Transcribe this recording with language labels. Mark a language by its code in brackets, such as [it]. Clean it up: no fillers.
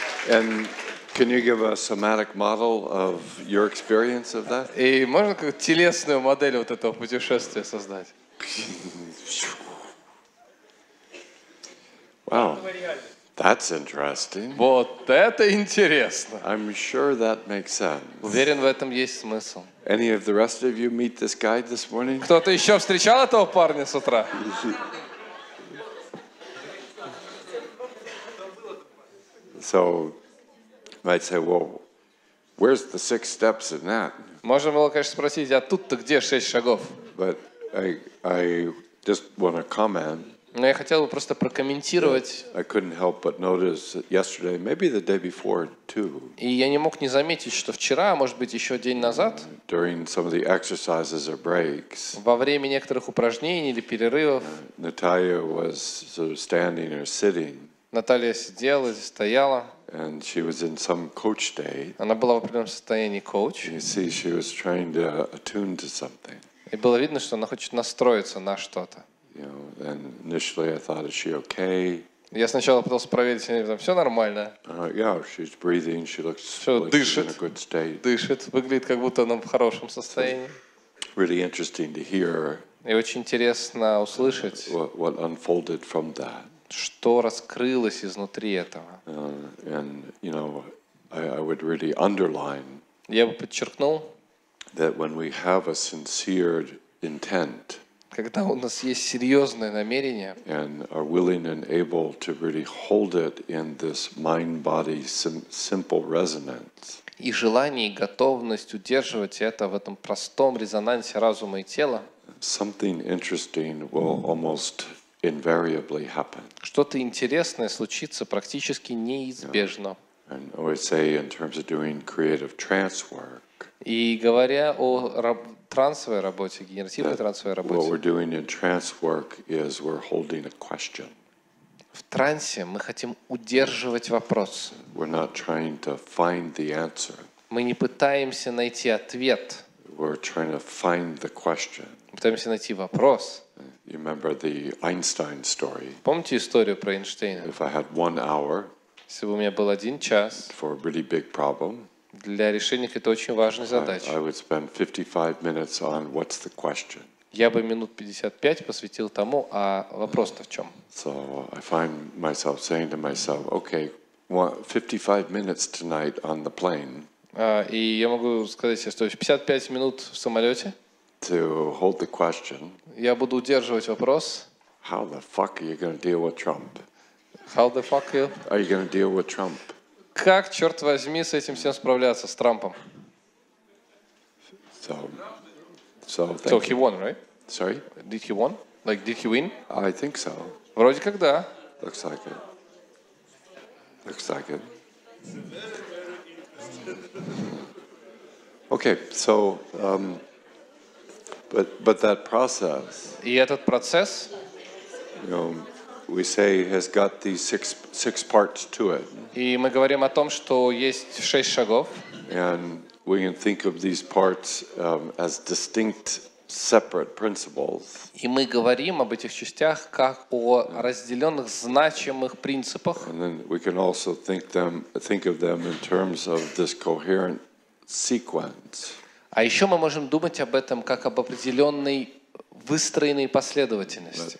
[en] And can you give a somatic model of your experience of that? [ru] И можно какую-то телесную модель вот этого путешествия создать? [en] Wow, that's interesting. [ru] Вот это интересно. [en] I'm sure that makes sense. [ru] Уверен, в этом есть смысл. [en] Any of the rest of you meet this guy this morning? [ru] Кто-то еще встречал этого парня с утра? [en] So, might say, "Whoa, where's the six steps in that?" [ru] Можно было, конечно, спросить, а тут-то где шесть шагов? [en] But I just want to comment. [ru] Но я хотел бы просто прокомментировать. [en] I couldn't help but notice yesterday, maybe the day before too. [ru] И я не мог не заметить, что вчера, может быть, еще день назад, [en] during some of the exercises or breaks, [ru] во время некоторых упражнений или перерывов, [en] Natalia was sort of standing or sitting. [ru] Наталья сидела или стояла. [en] And she was in some coach state. [ru] Она была в определенном состоянии коуч. [en] You see, she was trying to attune to something. [ru] И было видно, что она хочет настроиться на что-то. [en] You know, and initially I thought, is she okay? [ru] Я сначала пытался проверить, если там все нормально. [en] Yeah, she's breathing. She looks like [ru] дышит, [en] she's in a good state. [ru] Дышит, выглядит, как будто она в хорошем состоянии. [en] Really interesting to hear. [ru] И очень интересно услышать. [en] What unfolded from that? [ru] Что раскрылось изнутри этого? [en] And you know, I would really underline. [ru] Я бы подчеркнул. [en] That when we have a sincere intent. [ru] Когда у нас есть серьезное намерение, [en] and are willing and able to really hold it in this mind-body simple resonance. [ru] И желание и готовность удерживать это в этом простом резонансе разума и тела. [en] Something interesting will almost invariably happen. [ru] Что-то интересное случится практически неизбежно. [en] And I would say in terms of doing creative trance work. [ru] И говоря о трансовой работе, генеративной трансовой работе. [en] What we're doing in trance work is we're holding a question. [ru] В трансе мы хотим удерживать вопрос. [en] We're not trying to find the answer. [ru] Мы не пытаемся найти ответ. [en] We're trying to find the question. [ru] Пытаемся найти вопрос. [en] You remember the Einstein story? [ru] Помните историю про Эйнштейна? [en] If I had one hour. [ru] Если бы у меня был один час. [en] For a really big problem. [ru] Для решения это очень важная задача. [en] I would spend 55 minutes on what's the question. [ru] Я бы минут 55 посвятил тому, а вопрос-то в чем? [en] So I find myself saying to myself, okay, 55 minutes tonight on the plane. [ru] И я могу сказать себе, что 55 минут в самолете. [en] To hold the question. [ru] Я буду удерживать вопрос. [en] How the fuck are you going to deal with Trump? How the fuck you? Are you going to deal with Trump? [ru] Как, черт возьми, с этим всем справляться, с Трампом? [en] So, he won, right? Sorry? Did he won? Like, did he win? I think so. [ru] Вроде как да. [en] Looks like it. Looks like it. Okay, so, but that process. [ru] И этот процесс. [en] You know, we say has got these six parts to it. [ru] И мы говорим о том, что есть шесть шагов. [en] And we can think of these parts as distinct, separate principles. [ru] И мы говорим об этих частях как о разделенных значимых принципах. [en] And then we can also think of them in terms of this coherent sequence. [ru] А еще мы можем думать об этом как об определенной выстроенной последовательности.